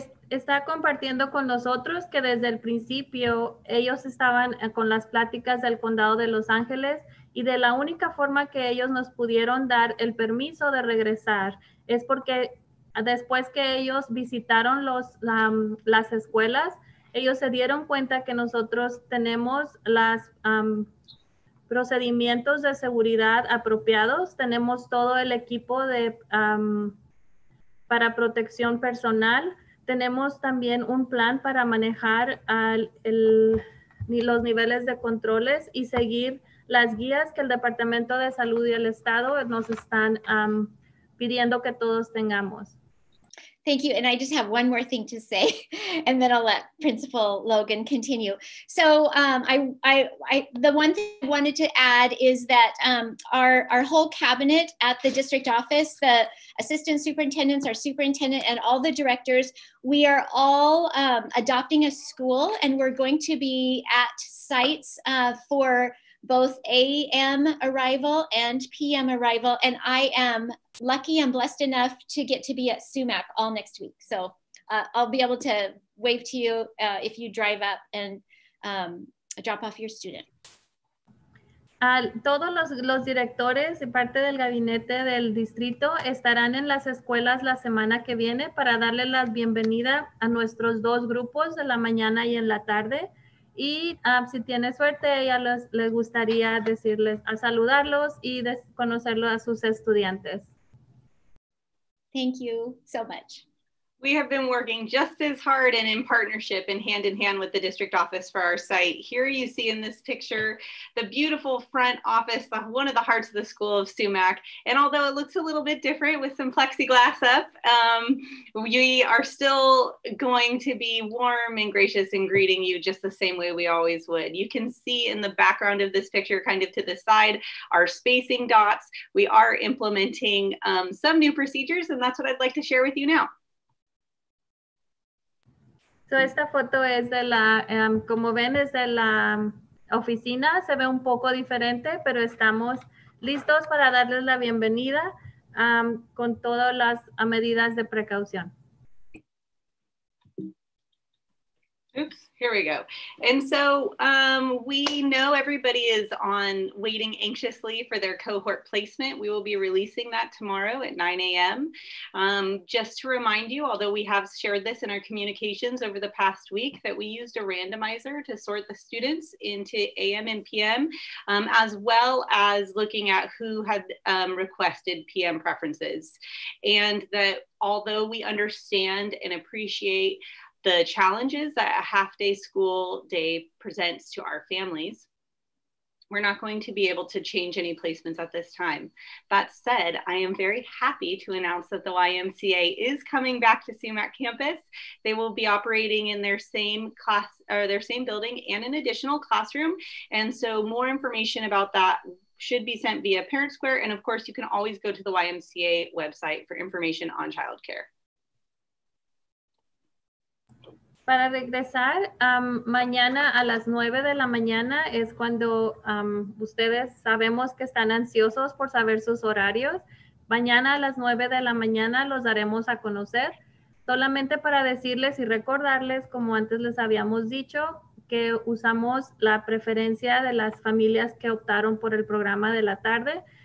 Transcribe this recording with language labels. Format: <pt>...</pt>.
<es>Está compartiendo con nosotros que desde el principio ellos estaban con las pláticas del condado de Los Ángeles, y de la única forma que ellos nos pudieron dar el permiso de regresar es porque después que ellos visitaron las escuelas, ellos se dieron cuenta que nosotros tenemos los procedimientos de seguridad apropiados, tenemos todo el equipo de para protección personal. Tenemos también un plan para manejar los niveles de controles y seguir las guías que el Departamento de Salud y el Estado nos están pidiendo que todos tengamos.</es> <en>Thank you. And I just have one more thing to say, and then I'll let Principal Logan continue. So the one thing I wanted to add is that our whole cabinet at the district office, the assistant superintendents, our superintendent, and all the directors, we are all adopting a school, and we're going to be at sites for both AM arrival and PM arrival. And I am lucky and blessed enough to get to be at Sumac all next week. So I'll be able to wave to you if you drive up and drop off your student. Todos los directores y parte del gabinete del distrito estarán en las escuelas la semana que viene para darle la bienvenida a nuestros dos grupos de la mañana y en la tarde. Y si tiene suerte, ella les gustaría decirles, a saludarlos y conocerlos a sus estudiantes. Thank you so much. We have been working just as hard and in partnership and hand in hand with the district office for our site. Here you see in this picture, the beautiful front office, one of the hearts of the school of Sumac. And although it looks a little bit different with some plexiglass up, we are still going to be warm and gracious in greeting you just the same way we always would. You can see in the background of this picture, kind of to the side, our spacing dots. We are implementing some new procedures, and that's what I'd like to share with you now.</en> <es>So esta foto es de la, como ven, es de la oficina. Se ve un poco diferente, pero estamos listos para darles la bienvenida con todas las medidas de precaución.</es> <en>Oops, here we go. And so we know everybody is on waiting anxiously for their cohort placement. We will be releasing that tomorrow at 9 a.m. Just to remind you, although we have shared this in our communications over the past week, that we used a randomizer to sort the students into AM and PM, as well as looking at who had requested PM preferences. And that although we understand and appreciate the challenges that a half day school day presents to our families, we're not going to be able to change any placements at this time. That said, I am very happy to announce that the YMCA is coming back to Sumac campus. They will be operating in their same class or their same building and an additional classroom. And so more information about that should be sent via Parent Square. And of course, you can always go to the YMCA website for information on childcare.</en> <es>Para regresar, mañana a las 9 de la mañana es cuando ustedes sabemos que están ansiosos por saber sus horarios. Mañana a las 9 de la mañana los daremos a conocer. Solamente para decirles y recordarles, como antes les habíamos dicho, que usamos la preferencia de las familias que optaron por el programa de la tarde.</es>